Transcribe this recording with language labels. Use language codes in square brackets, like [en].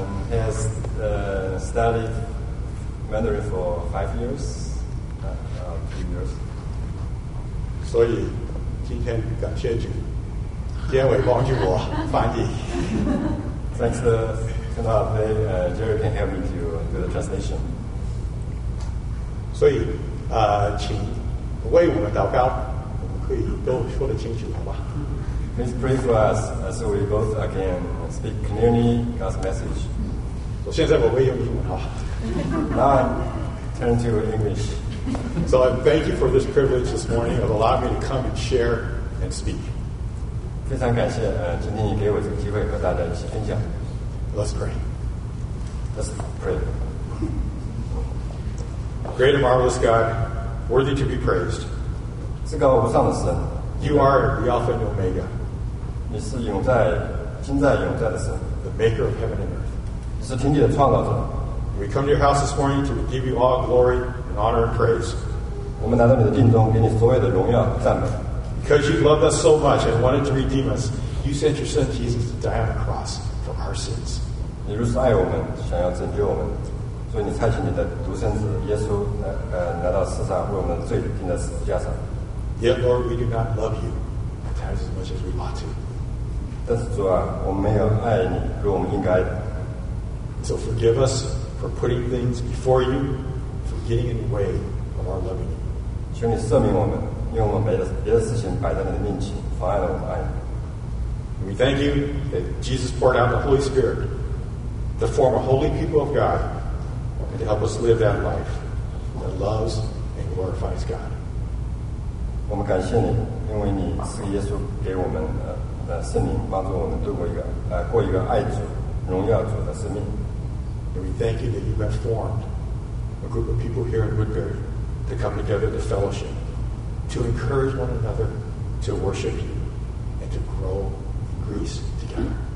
[en] Has studied Mandarin for 5 years, 3 years. [zh] 所以今天感谢主，因为帮助我翻译。 [en] Thanks to Kenneth, Jerry can help me to do the translation. [zh] 所以请为我们祷告，我们可以都说得清楚，好吧？ [en] Please pray for us so we both again speak clearly God's message. [zh] 我现在我会用英文哈。 [en] Now I turn to English. So I thank you for this privilege this morning of allowing me to come and share and speak. [zh] 非常感谢今天你给我这个机会和大家一起分享。 [en] Let's pray. Let's pray. Great and marvelous God, worthy to be praised. [zh] 至高无上的神。 [en] You are the Alpha and Omega. [zh] 你是永在、今在、永在的神。 [en] The Maker of heaven and earth. [zh] 你是天地的创造者。 [en] We come to your house this morning to give you all glory and honor and praise. [zh] 我们来到你的殿中，给你所有的荣耀和赞美。 [en] Because you loved us so much and wanted to redeem us, you sent your Son Jesus to die on the cross for our sins. [zh] 你如此爱我们，想要拯救我们，所以你差遣你的独生子耶稣来到世上，为我们的罪钉在十字架上。 [en] Yet, Lord, we do not love you as much as we ought to. [zh] 但是主啊，我们没有爱你如我们应该的。 [en] So forgive us for putting things before you, for getting in the way of our loving you. [zh] 求你赦免我们，因为我们别的事情摆在你的面前，妨碍了我们爱你。 [en] We thank you that Jesus poured out the Holy Spirit to form a holy people of God and to help us live that life that loves and glorifies God. [zh] 我们感谢你，因为你是耶稣给我们圣灵，帮助我们度过一个过一个爱主、荣耀主的生命。 [en] And we thank you that you have formed a group of people here in Woodbury to come together to fellowship, to encourage one another, to worship you, and to grow in grace together.